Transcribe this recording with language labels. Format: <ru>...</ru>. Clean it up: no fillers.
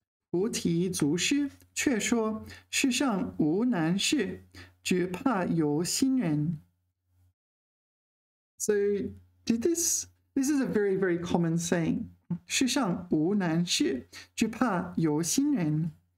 <zh>菩提祖师却说：“世上无难事，只怕有心人。”</zh> <en>So this is a very very common saying.</en> <zh>世上无难事，只怕有心人。</zh>